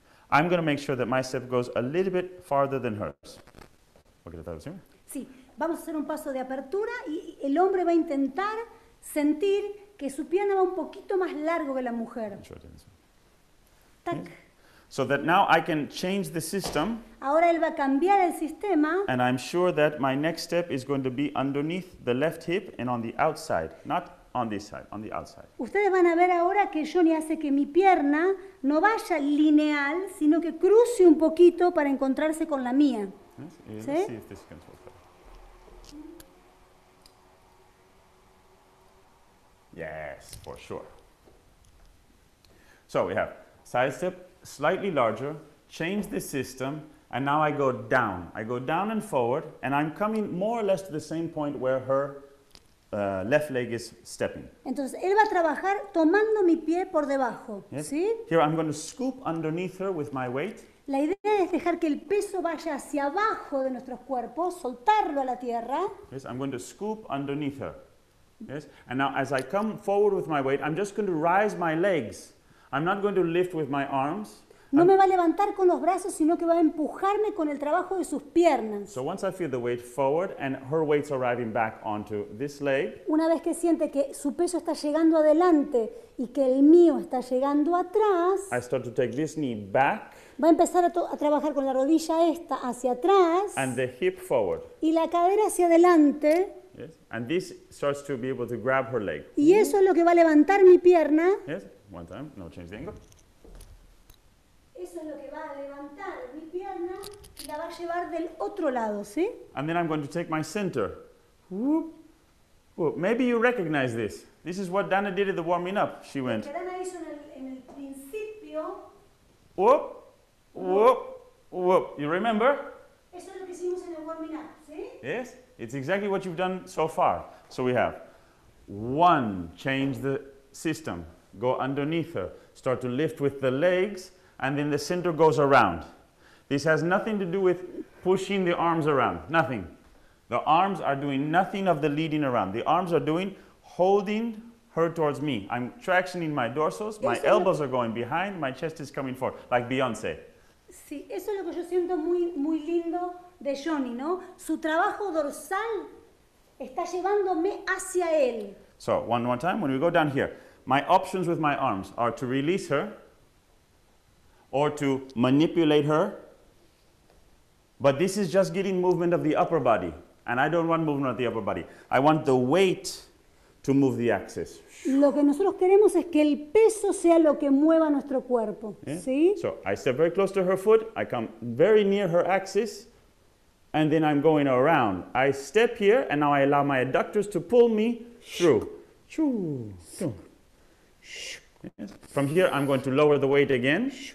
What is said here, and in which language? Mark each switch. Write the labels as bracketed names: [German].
[English] I'm going to make sure that my step goes a little bit farther than hers. [Spanish] ¿Por qué te traigo siempre? Sí. Vamos a hacer un paso de apertura y el hombre va a intentar sentir que su pierna va un poquito más largo que la mujer. [English] Short and open. Tac. Yeah. So that now I can change the system. [Spanish] Ahora él va a cambiar el sistema. [English] And I'm sure that my next step is going to be underneath the left hip and on the outside, not on this side, on the outside. [Spanish] Ustedes van a ver ahora que Johnny hace que mi pierna no vaya lineal, sino que cruce un poquito para encontrarse con la mía. [English] Yes, yes, ¿sí? Let's see if this can work. Yes, for sure. So we have side step. Slightly larger, change the system, and now I go down. I go down and forward, and I'm coming more or less to the same point where her left leg is stepping. [Spanish] Entonces, él va a trabajar tomando mi pie por debajo, yes. ¿Sí? [English] Here, I'm going to scoop underneath her with my weight. [Spanish] La idea es dejar que el peso vaya hacia abajo de nuestros cuerpos, soltarlo a la tierra. [English] Yes, I'm going to scoop underneath her. Yes, and now as I come forward with my weight, I'm just going to rise my legs. I'm not going to lift with my arms. [Spanish] No me va a levantar con los brazos, sino que va a empujarme con el trabajo de sus piernas. [English] So once I feel the weight forward and her weight's arriving back onto this leg. [Spanish] Una vez que siente que su peso está llegando adelante y que el mío está llegando atrás. [English] I start to take this knee back. [Spanish] Va a empezar a trabajar con la rodilla esta hacia atrás. [English] And the hip forward. [Spanish] Y la cadera hacia adelante. [English] Yes. And this starts to be able to grab her leg. [Spanish] Y eso es lo que va a levantar mi pierna. [English] Yes. One time, no change the angle. [Spanish] Eso es lo que va a levantar mi pierna y la va a llevar del otro lado, ¿sí? [English] And then I'm going to take my center. Whoop. Whoop. Maybe you recognize this. This is what Dana did at the warming up. She went. [Spanish] Lo que Dana hizo en el principio. [English] Whoop. Whoop. Whoop. You remember? [Spanish] Eso es lo que hicimos en el warming up, ¿sí? [English] Yes. It's exactly what you've done so far. So we have one, change the system. Go underneath her, start to lift with the legs, and then the center goes around. This has nothing to do with pushing the arms around, nothing. The arms are doing nothing of the leading around. The arms are doing holding her towards me. I'm tractioning my dorsals, my elbows are going behind, my chest is coming forward, like Beyoncé. [Spanish] Sí, eso es lo que yo siento muy, muy lindo de Johnny, ¿no? Su trabajo dorsal está llevándome hacia él. [English] So, one more time, when we go down here. My options with my arms are to release her or to manipulate her. But this is just getting movement of the upper body. And I don't want movement of the upper body. I want the weight to move the axis. [Spanish] Lo que nosotros queremos es que el peso sea lo que mueva nuestro cuerpo, yeah. ¿Sí? [English] So I step very close to her foot, I come very near her axis, and then I'm going around. I step here, and now I allow my adductors to pull me through. From here, I'm going to lower the weight again.